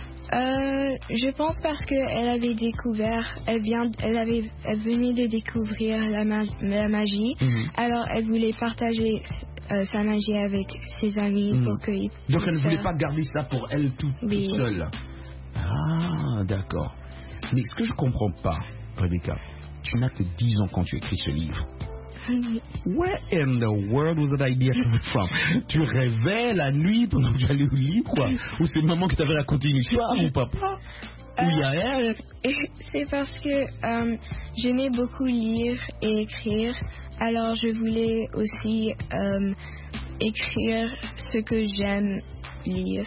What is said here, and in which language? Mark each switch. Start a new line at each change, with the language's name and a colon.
French: Je pense parce qu'elle avait découvert, elle venait de découvrir la magie. Mm-hmm. Alors elle voulait partager sa magie avec ses amis pour qu'ils puissent. Donc elle ne voulait pas garder ça pour elle toute seule. Ah, d'accord. Mais ce que je ne comprends pas, Rebecca, tu n'as que 10 ans quand tu écris ce livre.
English: Where in the world was that idea coming from?
French: Tu rêvais la nuit pendant que j'allais au lit, quoi? Ou c'est maman qui t'avait raconté une histoire, ou papa? Ou y a elle? C'est parce que j'aimais beaucoup lire et écrire. Alors, je voulais aussi écrire ce que j'aime lire.